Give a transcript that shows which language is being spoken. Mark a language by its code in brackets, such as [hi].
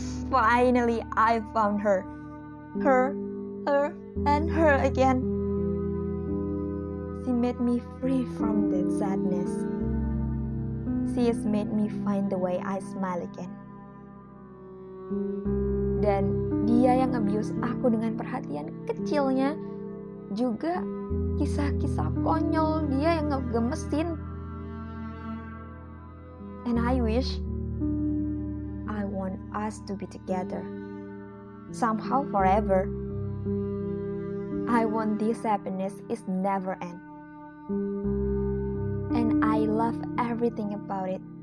[en] Finally, I found her. Her, and her again. She made me free from that sadness. She has made me find the way I smile again. [id] Dan dia yang abuse aku dengan perhatian kecilnya, juga kisah-kisah konyol dia yang ngegemesin. [en] And I want us to be together somehow forever. I want this happiness is never end. And I love everything about it.